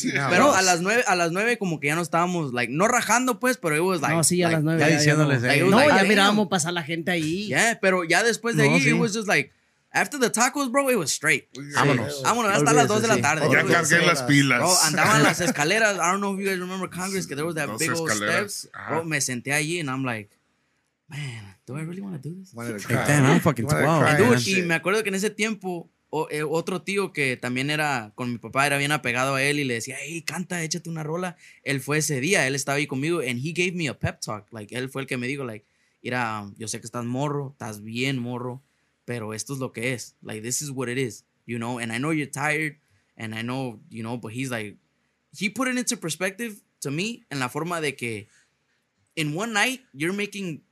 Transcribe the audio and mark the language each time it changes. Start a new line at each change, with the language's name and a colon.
Spanish: Pero a las nueve como que ya no estábamos, like, no rajando, pues, pero
English: it was like...
Spanish: No, sí, a las 9. Ya diciéndoles. Ya mirábamos pasar la gente ahí. Yeah, pero ya después de ahí,
English: it was just like... After the tacos, bro, it was straight.
Spanish: Vámonos. Hasta las 2 de la tarde. Ya cargué las pilas. Bro, andaban las escaleras.
English: I don't know if you guys remember Congress, que there was that big old steps. Bro,
Spanish: me senté allí
English: and I'm like, man... Do I really want to do this? Damn, I'm fucking 12.
Spanish: And dude, y me acuerdo que en ese tiempo, otro tío que también era con mi papá, era bien apegado a él y le decía, hey, canta, échate una rola. Él fue ese día, él estaba ahí conmigo
English: and he gave me a pep talk.
Spanish: Like, él fue el que me dijo, like, mira, yo sé que estás morro, estás bien morro, pero esto es lo que es.
English: Like, this is what it is, you know? And I know you're tired and I know, you know, but he's like, he put it into perspective to me
Spanish: en la forma de que
English: in one night, you're making...